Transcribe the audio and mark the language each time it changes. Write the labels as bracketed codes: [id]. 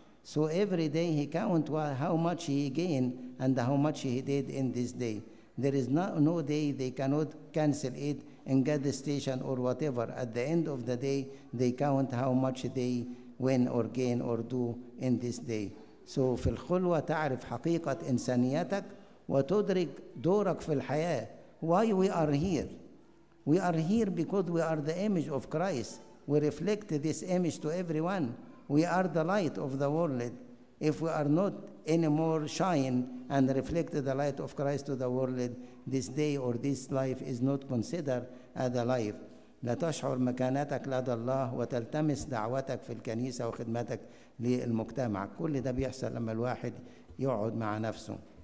[en] So every day he count how much he gained and how much he did in this day. There is no day they cannot cancel it in gas station or whatever. At the end of the day, they count how much they win or gain or do in this day. [ar] So, في الخلوة تعرف حقيقة إنسانيتك وتدرك دورك في الحياة. [en] Why we are here? We are here because we are the image of Christ. We reflect this image to everyone. We are the light of the world. If we are not anymore shine and reflect the light of Christ to the world, this day or this life is not considered as a life. [ar] لا تشعر مكانتك لدى الله وتلتمس دعوتك في الكنيسة وخدمتك للمجتمع. كل ده بيحصل لما الواحد يقعد مع نفسه.